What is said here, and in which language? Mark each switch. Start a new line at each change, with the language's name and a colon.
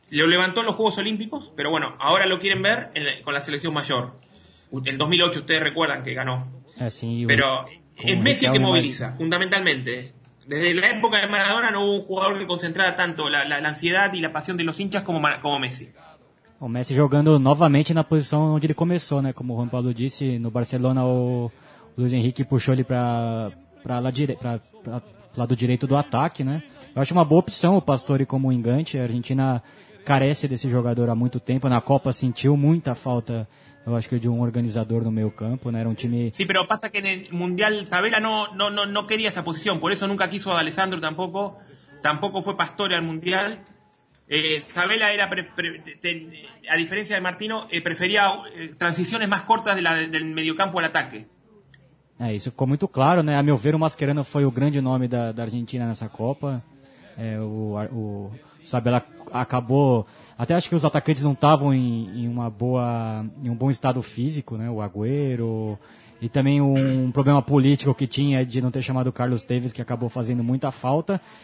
Spanish: Lo levantó en los Juegos Olímpicos, pero bueno, ahora lo quieren ver con la selección mayor. En 2008, ustedes recuerdan que ganó. Así, pero es Messi que moviliza, fundamentalmente. Desde la época de Maradona no hubo un jugador que concentrara tanto la ansiedad y la pasión de los hinchas como Messi.
Portuguese: O Messi jogando novamente na posição onde ele começou, né? Como o Juan Pablo disse, no Barcelona o Luis Enrique puxou ele para lá direito. Lado direito do ataque, né? Eu acho uma boa opção o Pastore como enganche. A Argentina carece desse jogador há muito tempo. Na Copa sentiu muita falta eu acho que de um organizador no meio campo, né? Era um time...
Spanish: Sí, pero pasa que en el Mundial Sabela no quería esa posición, por eso nunca quiso a D'Alessandro tampoco, tampoco fue Pastore al Mundial. Sabela era, a diferencia de Martino, prefería transiciones más cortas del mediocampo al ataque.
Portuguese: É, isso ficou muito claro, né? A meu ver, o Mascherano foi o grande nome da Argentina nessa Copa. É, o Sabela acabou... Até acho que os atacantes não estavam em um bom estado físico, né? O Agüero... E também um problema político que tinha de não ter chamado o Carlos Tevez, que acabou fazendo muita falta.